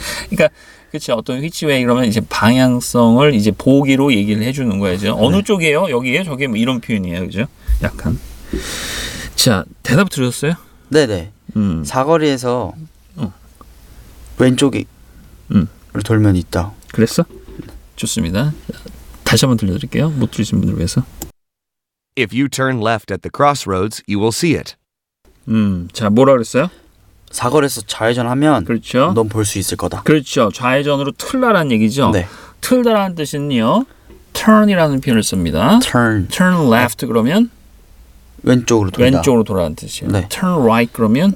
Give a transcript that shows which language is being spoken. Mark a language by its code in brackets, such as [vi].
[ko] 그러니까 그렇죠. 어떤 which way 이러면 이제 방향성을 이제 보기로 얘기를 해주는 거야. 이제 어느 네. 쪽이에요? 여기에요? 저기에요? 뭐 이런 표현이에요. 그죠? 약간. 자, 대답 들으셨어요? 네네. 사거리에서 왼쪽에 돌면 있다. 그랬어? 좋습니다. 다시 한번 들려드릴게요. 못 들으신 분들을 위해서. [en] If you turn left at the crossroads, you will see it. [ko] 자, 뭐라 그랬어요? 사거리에서 좌회전하면 그렇죠. 넌 볼 수 있을 거다. 그렇죠. 좌회전으로 틀다라는 얘기죠. 네. 틀다라는 뜻은요. turn이라는 표현을 씁니다. [en] turn left 그러면 [ko] 왼쪽으로 돌다. 왼쪽으로 돌아라는 뜻이에요. 네. [en] turn right [ko] 그러면